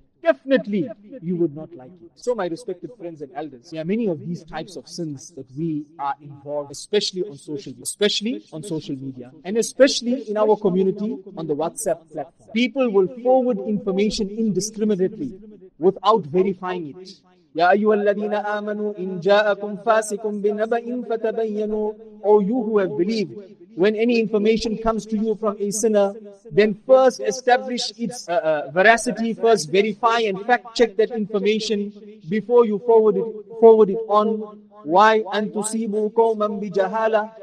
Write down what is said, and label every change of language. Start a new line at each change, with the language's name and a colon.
English: Definitely, you would not like it. So my respected friends and elders, there are many of these types of sins that we are involved, especially on social media, and especially in our community on the WhatsApp platform. People will forward information indiscriminately without verifying it.
Arabic: يا أيها الذين آمنوا إن جاءكم فاسق بنبأ فتبينوا.
English: O you who have believed, when any information comes to you from a sinner, then first establish its veracity, first verify and fact check that information before you forward it on. Why?
Arabic: أن تصيبوا قوما بجهالة.